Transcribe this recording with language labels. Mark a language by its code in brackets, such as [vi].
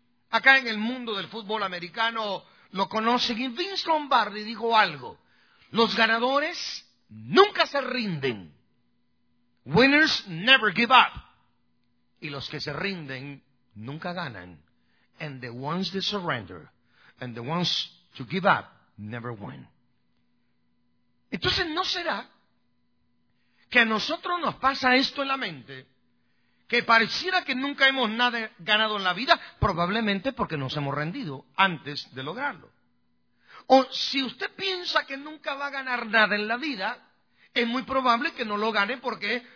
[es] Acá en el mundo del fútbol americano lo conocen. Y Vince Lombardi dijo algo: los ganadores nunca se rinden. [en] Winners never give up. [es] Y los que se rinden nunca ganan. [en] And the ones that surrender and the ones to give up never win. [es] Entonces, ¿no será que a nosotros nos pasa esto en la mente? Que pareciera que nunca hemos nada ganado en la vida, probablemente porque nos hemos rendido antes de lograrlo. O si usted piensa que nunca va a ganar nada en la vida, es muy probable que no lo gane. ¿Por qué?